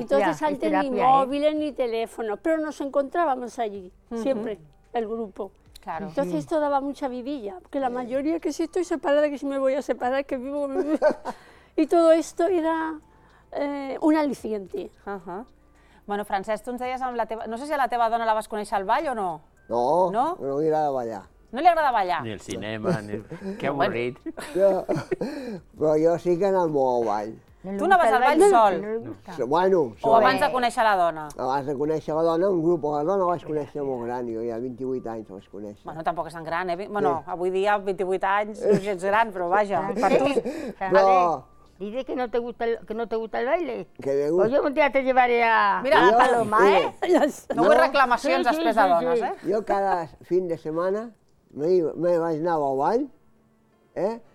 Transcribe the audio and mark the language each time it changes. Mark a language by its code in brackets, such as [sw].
[es] Entonces antes terapia, ni móviles ni teléfonos. Pero nos encontrábamos allí, siempre, el grupo. Claro. Entonces esto daba mucha vidilla. Porque la mayoría que si estoy separada, que si me voy a separar, que vivo. Y todo esto era un aliciente. [ca] Bueno, Francesc, tú ens deies amb la teva... No sé si a la teva dona la vas conèixer al ball o no. No, no, no li agrada ballar. No li agrada ballar? Ni el cinema, ni... Que avorrit. No, però jo sí que he anat molt al ball. Tu no vas al ball sol? No. Bueno, sol. O abans de conèixer la dona? Abans de conèixer la dona, un grup. La dona vaig conèixer molt gran, jo ja 28 anys vaig conèixer. Bueno, tampoc és tan gran, eh? Bueno, avui dia, 28 anys, no ets gran, però vaja. Per tu... Però... [es] Dice que no te gusta el, que no te gusta el baile. Que me gusta. Pues yo un día te llevaré a... Mira, a la paloma, ¿eh? No hay reclamaciones sí, después sí, a donas, sí. ¿Eh? Yo cada fin de semana me [ca] vaig anar al ball, [es] ¿eh?